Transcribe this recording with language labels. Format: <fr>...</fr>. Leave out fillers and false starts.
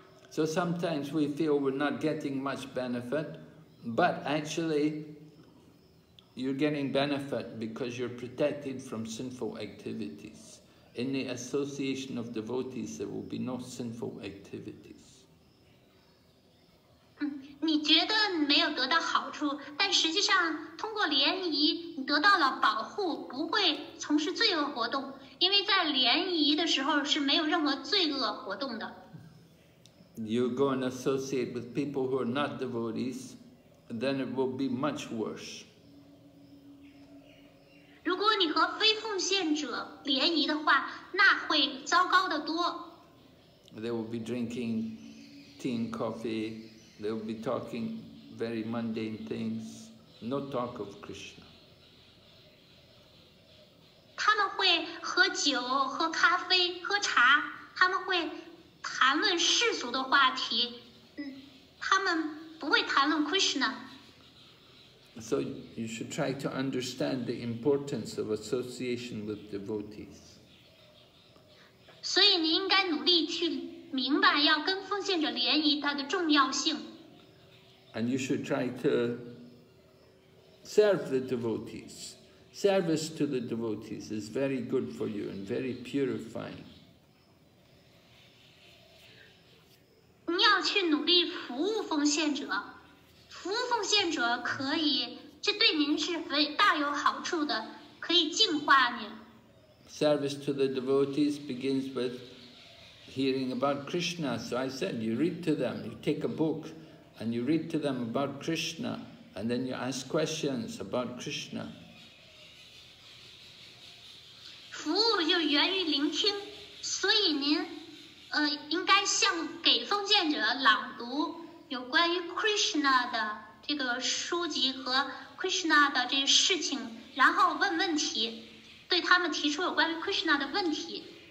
<en>So sometimes we feel we're not getting much benefit, but actually you're getting benefit because you're protected from sinful activities. In the association of devotees, there will be no sinful activities.</en> <zh>你觉得没有得到好处，但实际上通过联谊你得到了保护，不会从事罪恶活动，因为在联谊的时候是没有任何罪恶活动的。</zh> <en>you go and associate with people who are not devotees, then it will be much worse.</en> <zh>如果你和非奉献者联谊的话，那会糟糕得多。</zh> <en>They will be drinking tea and coffee. They will be talking very mundane things. No talk of Krishna.</en> <zh>他们会喝酒、喝咖啡、喝茶。他们会谈论世俗的话题。他们不会谈论 Krishna。</zh> <en>So you should try to understand the importance of association with devotees.</en> <zh>所以你应该努力去明白要跟奉献者联谊它的重要性。</zh> <en>And you should try to serve the devotees. Service to the devotees is very good for you and very purifying.</en> <zh>你要去努力服务奉献者。服务奉献者可以，这对您是非大有好处的，可以净化您。</zh> <en>Service to the devotees begins with hearing about Krishna. So I said, you read to them, you take a book, and you read to them about Krishna, and then you ask questions about Krishna.</en> <zh>服务就源于聆听，所以您，应该向给奉献者朗读。有关于 Krishna 的这个书籍和 Krishna 的这些事情，然后问问题，对他们提出有关于 Krishna 的问题。</zh>